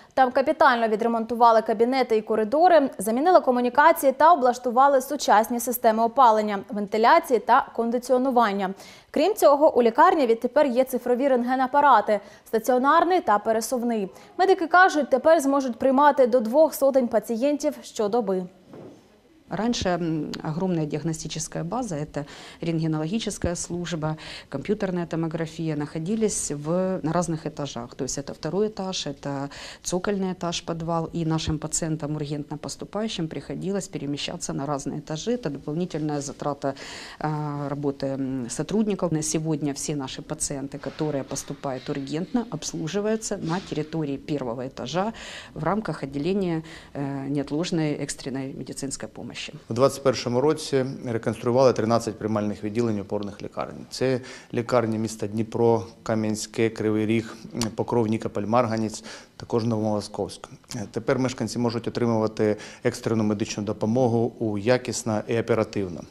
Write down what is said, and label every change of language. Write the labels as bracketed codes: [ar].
[uk] Там капітально відремонтували кабінети і коридори, замінили комунікації та облаштували сучасні системи опалення, вентиляції та кондиціонування. Крім цього, у лікарні відтепер є цифрові рентген-апарати – стаціонарний та пересувний. Медики кажуть, тепер зможуть приймати до 200 пацієнтів щодоби. [ru] Раньше огромная диагностическая база, это рентгенологическая служба, компьютерная томография, находились на разных этажах. То есть это второй этаж, это цокольный этаж, подвал. И нашим пациентам, ургентно поступающим, приходилось перемещаться на разные этажи. Это дополнительная затрата работы сотрудников. На сегодня все наши пациенты, которые поступают ургентно, обслуживаются на территории первого этажа в рамках отделения неотложной экстренной медицинской помощи. [uk] У 2021 році реконструювали 13 приймальних відділень опорних лікарень. Це лікарні міста Дніпро, Кам'янське, Кривий Ріг, Покров, Нікополь, Марганець, також Новомосковськ. Тепер мешканці можуть отримувати екстрену медичну допомогу у якісно і оперативно.